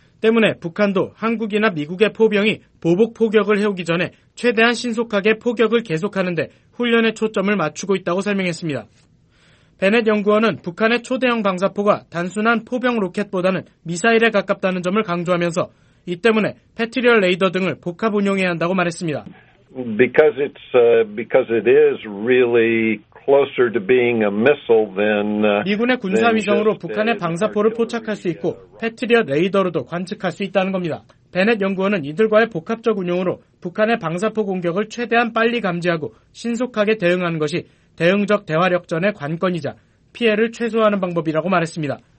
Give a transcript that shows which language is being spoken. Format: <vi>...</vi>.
<ko>때문에 북한도 한국이나 미국의 포병이 보복 포격을 해오기 전에 최대한 신속하게 포격을 계속하는데 훈련에 초점을 맞추고 있다고 설명했습니다. 베넷 연구원은 북한의 초대형 방사포가 단순한 포병 로켓보다는 미사일에 가깝다는 점을 강조하면서 이 때문에 패트리얼 레이더 등을 복합 운용해야 한다고 말했습니다.</ko> <en>Because it is really closer to being a missile than</en> <ko>미군의 군사 위성으로 북한의 방사포를 포착할 수 있고 패트리어 레이더로도 관측할 수 있다는 겁니다. 베넷 연구원은 이들과의 복합적 운용으로 북한의 방사포 공격을 최대한 빨리 감지하고 신속하게 대응하는 것이 대응적 대화력전의 관건이자 피해를 최소화하는 방법이라고 말했습니다.</ko>